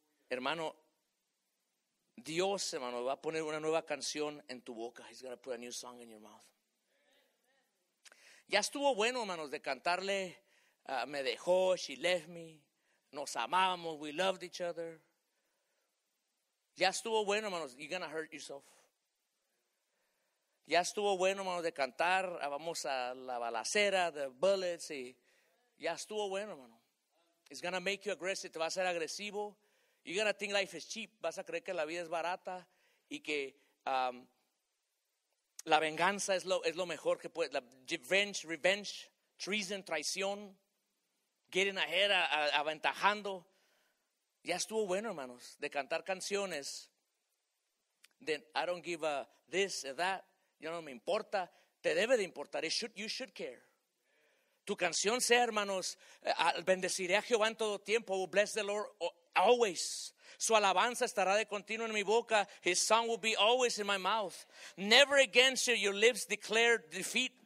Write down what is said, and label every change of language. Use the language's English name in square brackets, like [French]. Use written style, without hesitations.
[Spanish] Hermano, Dios, hermano, va a poner una nueva canción en tu boca. [English] He's going to put a new song in your mouth. [Spanish] Ya estuvo bueno, hermanos, de cantarle, me dejó, [English] she left me, [Spanish] nos amamos, [English] we loved each other. [Spanish] Ya estuvo bueno, hermanos, [English] you're going to hurt yourself. [Spanish] Ya estuvo bueno, hermano, de cantar, vamos a la balacera, [English] the bullets, [Spanish] y ya estuvo bueno, hermano. [English] It's going to make you aggressive, [Spanish] te va a hacer agresivo. [English] You're going to think life is cheap, [Spanish] vas a creer que la vida es barata y que la venganza es lo mejor que puede. [English] Revenge, treason, [Spanish] traición, [English] getting ahead, [Spanish] aventajando. Ya estuvo bueno, hermanos, de cantar canciones. [English] Then I don't give a this or that. [Spanish] Yo no me importa, te debe de importar. [English] You should care. [Spanish] Tu canción sea, hermanos, bendeciré a Jehová en todo tiempo. [English] Bless the Lord always. [Spanish] Su alabanza estará de continuo en mi boca. [English] His song will be always in my mouth. Never again shall your lips declare defeat.